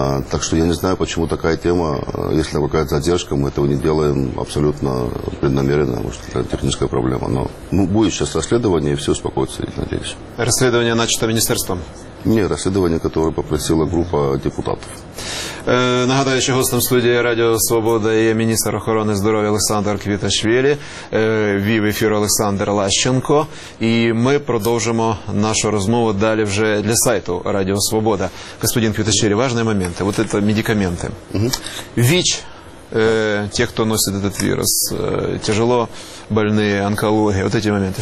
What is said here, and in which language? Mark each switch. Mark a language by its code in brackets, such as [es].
[ru] Так что я не знаю, почему такая тема, если какая-то задержка, мы этого не делаем абсолютно преднамеренно, может, это техническая проблема. Но будет сейчас расследование, и все успокоится, я надеюсь. Расследование начато министерством? Нет, расследование, которое попросила группа депутатов. [uk] Нагадаю, что гостем студии Радио Свобода є міністр охорони здоров'я Олександр Квіташвілі, вів ефір Олександр Лащенко. І ми продовжимо нашу розмову далі вже для сайту Радіо Свобода. Господин Квіташвілі, важливі моменти. [ru] Вот это медикаменты. [uk] ВІЧ, те, хто носить этот вірус, [ru] тяжело больные, [uk] онкологія, [ru] вот эти [uk] моменти.